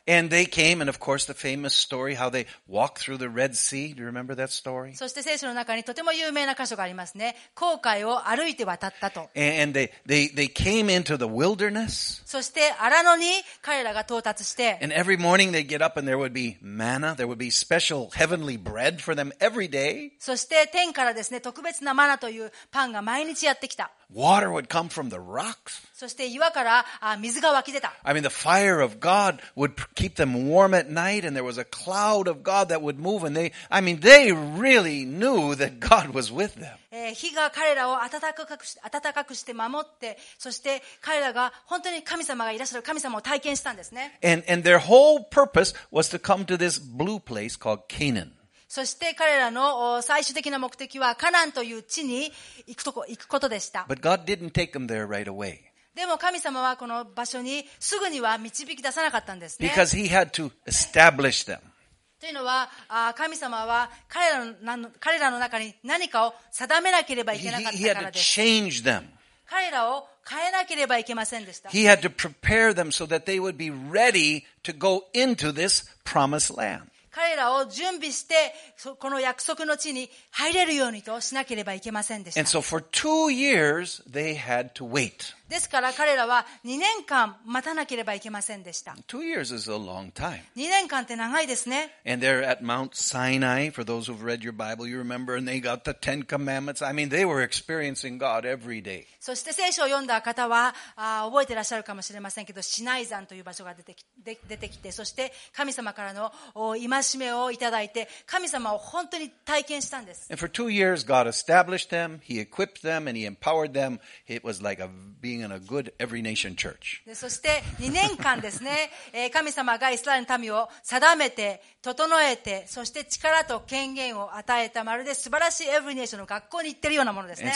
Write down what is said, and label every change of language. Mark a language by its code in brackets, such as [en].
[en] And they came, and of course the famous story how they walked through the Red Sea. Do you remember that story? [ja] そして聖書の中にとても有名な箇所がありますね。紅海を歩いて渡ったと。 [en] And they came into the wilderness. [ja] そして荒野に彼らが到達して。 [en] And every morning they get up and there would be manna. There would be special heavenly bread for them every day. [ja] そして天からですね、特別なマナというパンが毎日やってきた。 [en] Water would come from the rocks. [ja] そして岩から水が湧き出た。 [en] I mean, the fire of God would keep them warm at night, and there was a cloud of God that would move, and they really knew that God was with them. [ja] 火が彼らを暖かくして守って、そして彼らが本当に神様がいらっしゃる神様を体験したんですね。 [en] And their whole purpose was to come to this blue place called Canaan. [ja] そして彼らの最終的な目的はカナンという地に行くことでした。 [en] But God didn't take them there right away. [ja] でも神様はこの場所にすぐには導き出さなかったんですね。 [en] Because he had to establish them. [ja] というのは神様は彼らの中に何かを定めなければいけなかったからです。 [en] He had to change them. [ja] 彼らを変えなければいけませんでした。 [en] He had to prepare them so that they would be ready to go into this promised land. [ja] 彼らを準備してこの約束の地に入れるようにとしなければいけませんでした。 [en] And so for two years they had to wait. [ja] ですから彼らは2年間待たなければいけませんでした。 [en] Two years is a long time. [ja] 2年間って長いですね。 [en] And they're at Mount Sinai. For those who've read your Bible, you remember, and they got the Ten Commandments. I mean, they were experiencing God every day. [ja] そして聖書を読んだ方は覚えてらっしゃるかもしれませんけど、シナイ山という場所が出てきて、そして神様からの今戒めをいただいて神様を本当に体験したんです。 [en] And for two years God established them, He equipped them, and He empowered them. It was like being in a good every nation church. [ja] そして2年間ですね神様がイスラエルの民を定めて整えて、そして力と権限を与えた、まるで素晴らしいエブリネーションの学校に行ってるようなものですね。